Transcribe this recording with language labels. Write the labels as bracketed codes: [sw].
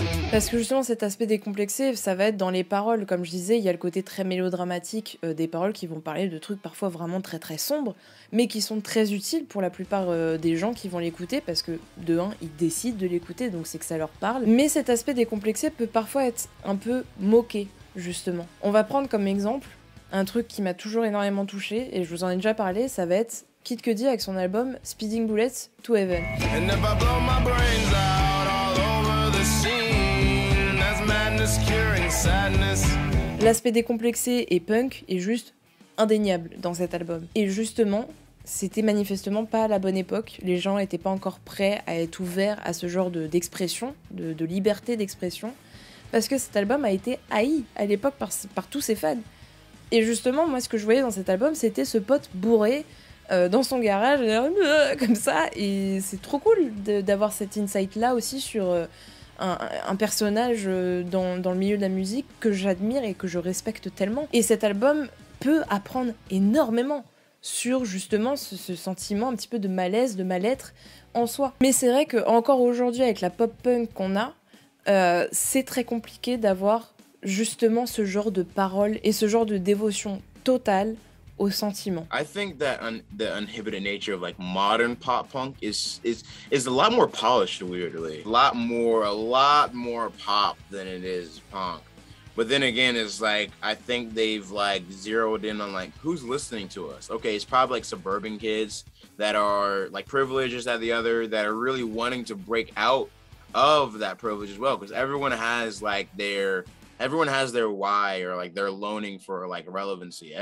[fr] Parce que justement cet aspect décomplexé, ça va être dans les paroles. Comme je disais, il y a le côté très mélodramatique des paroles qui vont parler de trucs parfois vraiment très très sombres, mais qui sont très utiles pour la plupart des gens qui vont l'écouter, parce que de un, ils décident de l'écouter, donc c'est que ça leur parle. Mais cet aspect décomplexé peut parfois être un peu moqué, justement. On va prendre comme exemple un truc qui m'a toujours énormément touchée, et je vous en ai déjà parlé, ça va être Kid Cudi avec son album Speeding Bullets to Heaven. [en] And if I blow my brains out. [fr] L'aspect décomplexé et punk est juste indéniable dans cet album. Et justement, c'était manifestement pas à la bonne époque. Les gens n'étaient pas encore prêts à être ouverts à ce genre d'expression, de liberté d'expression, parce que cet album a été haï à l'époque par tous ses fans. Et justement, moi, ce que je voyais dans cet album, c'était ce pote bourré dans son garage, comme ça. Et c'est trop cool d'avoir cet insight-là aussi sur... Un personnage dans le milieu de la musique que j'admire et que je respecte tellement. Et cet album peut apprendre énormément sur justement ce sentiment un petit peu de malaise, de mal-être en soi. Mais c'est vrai qu'encore aujourd'hui, avec la pop-punk qu'on a, c'est très compliqué d'avoir justement ce genre de paroles et ce genre de dévotion totale au sentiment. [en] I think that the uninhibited nature of like modern pop punk is a lot more polished, weirdly. A lot more pop than it is punk. But then again, it's like I think they've like zeroed in on like who's listening to us. Okay, it's probably like suburban kids that are like privileged at the other that are really wanting to break out of that privilege as well, because everyone has like their everyone has their why or like their loaning for like relevancy.